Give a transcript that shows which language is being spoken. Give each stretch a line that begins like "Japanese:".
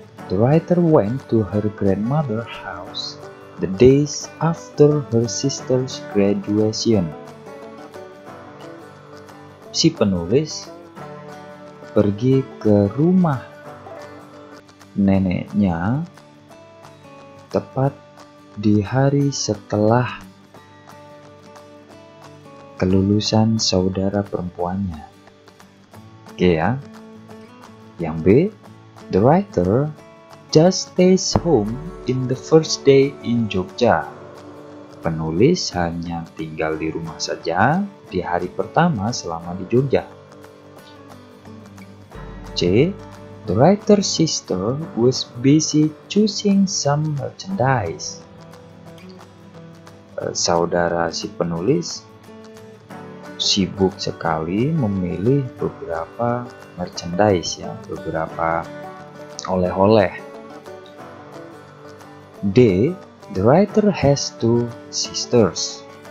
English: The writer went to her grandmother's house the days after her sister's graduation.
Indonesian: Si penulis pergi ke rumah neneknya tepat di hari setelah kelulusan saudara perempuannya. Oke ya. Yang B,
English: the writer just stays home in the first day in Jogja.
Indonesian: Penulis hanya tinggal di rumah saja di hari pertama selama di Jogja.
English: C, the writer's sister was busy choosing some merchandise.
Indonesian: Saudara si penulis sibuk sekali memilih beberapa merchandise, ya, beberapa oleh-oleh.
English: D, the writer has two sisters.